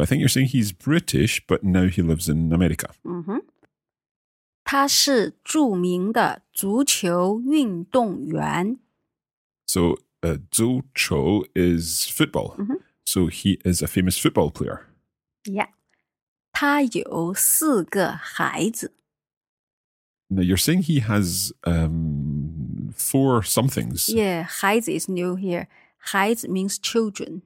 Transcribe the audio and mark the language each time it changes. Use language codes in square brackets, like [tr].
[en] I think you're saying he's British, but now he lives in America. [zh] 他是著名的足球运动员。So [en] 足球 is football. So he is a famous football player. [zh] Yeah. 他有4个孩子。Now [en] you're saying he has four somethings. Yeah, 孩子 is new here. 孩子 means children.